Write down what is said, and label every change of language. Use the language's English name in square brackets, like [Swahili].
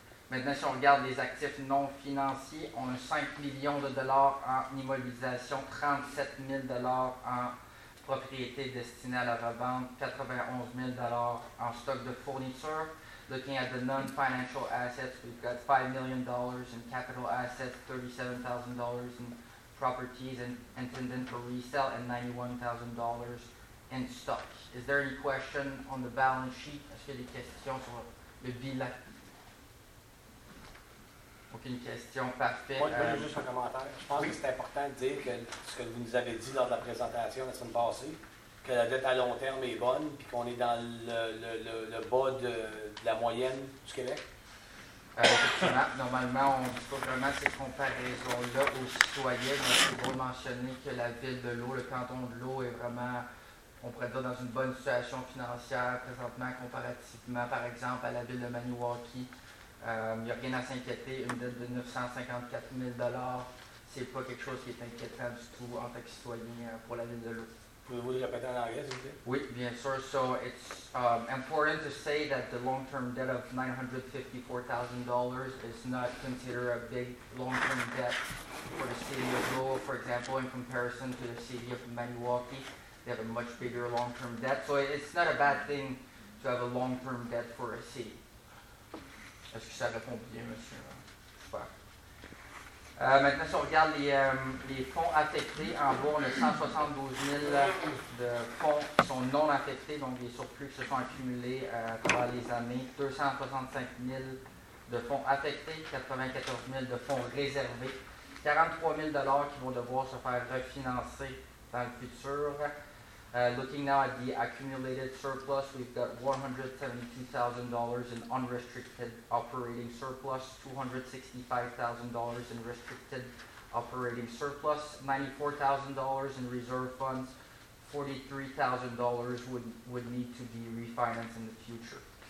[French] Maintenant, si on regarde les actifs non financiers, on a $5 million en immobilisation, $37,000 en propriété destinée à la revente, $91,000 en stock de fournitures. [English] Looking at the non-financial assets, we've got $5 million in capital assets, $37,000 in properties and intended for resale, and $91,000 in stock. Is there any question on the balance sheet? [French] Est-ce qu'il y a des questions sur le bilan? Aucune question, parfait. Moi, je veux juste un commentaire. Je pense que c'est important de dire que ce que vous nous avez dit lors de la présentation la semaine passée, que la dette à long terme est bonne et qu'on est dans le bas de la moyenne du Québec. Effectivement, normalement, on ne dit pas vraiment ces comparaisons-là aux citoyens, mais c'est bon de mentionner que la ville de Lau, le canton de Lau, est vraiment, on pourrait dire, dans une bonne situation financière présentement, comparativement, par exemple, à la ville de Maniwaki. Il n'y a rien à s'inquiéter, une dette de 954 000 $ ce n'est pas quelque chose qui est inquiétant du tout en tant que citoyen pour la ville de Lau. Pouvez-vous le répéter en anglais, s'il vous plaît? Oui, bien sûr. [English] So it's important to say that the long-term debt of $954,000 is not considered a big long-term debt for the city of Lau, for example, in comparison to the city of Maniwaki. They have a much bigger long-term debt. So it's not a bad thing to have a long-term debt for a city. [French] Est-ce que ça répond bien, monsieur? Super. Maintenant, si on regarde les fonds affectés, en gros, on a 172 000 de fonds qui sont non affectés, donc des surplus qui se sont accumulés pendant les années, 265 000 de fonds affectés, 94 000 de fonds réservés, 43 000 $ qui vont devoir se faire refinancer dans le futur. [English] Looking now at the accumulated surplus, we've got $172,000 in unrestricted operating surplus, $265,000 in restricted operating surplus, $94,000 in reserve funds, $43,000 would need to be refinanced in the future.